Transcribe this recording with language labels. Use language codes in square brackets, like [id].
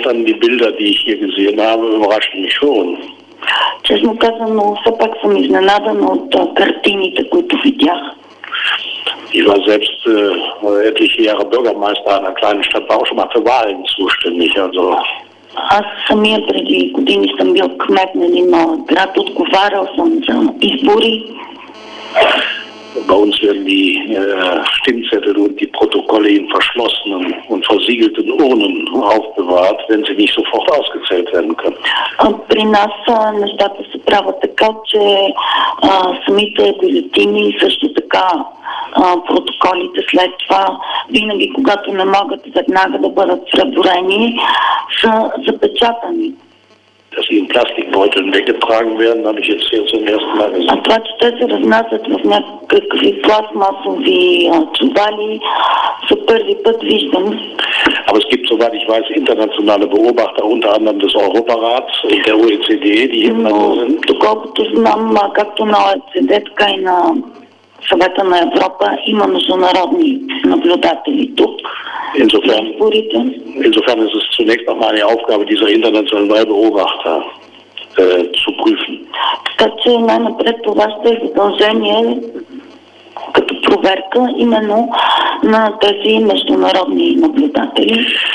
[de] Die Bilder, die ich hier gesehen habe, überraschen mich schon. [bg] Честно казвам, но все пак съм изненадан от картините, които видях. [de] Ich war selbst etliche Jahre Bürgermeister einer kleinen Stadt, war auch schon mal für Wahlen zuständig. Also. [bg] Аз самия преди години съм бил кмет на един малък град, отговарял съм за избори. [de] Bei uns werden die Stimmzettel und die Protokolle in verschlossenen und versiegelten Urnen aufbewahrt, wenn sie nicht sofort ausgezählt werden können. [bg] При нас нещата се правят така, че самите бюлетини и също така протоколите след това, винаги когато не могат веднага да бъдат преброени, са запечатани. [de] Dass sie in Plastikbeuteln weggetragen werden, habe ich jetzt hier zum ersten Mal gesehen. [bg] Това, че те се разнасят в някакви пластмасови чували, за първи път виждам. [de] Aber es gibt, soweit ich weiß, internationale Beobachter, unter anderem des Europarats und der OECD, die hier immer sind. [bg] Доколкото знам, както на ОЕЦД, така и на Съвета на Европа, има международни наблюдатели тук. [de] Insofern ist es zunächst auch mal eine Aufgabe dieser internationalen Wahlbeobachter zu prüfen. [bg] Като най-напред това ще е задължение като проверка именно на тези международни наблюдатели.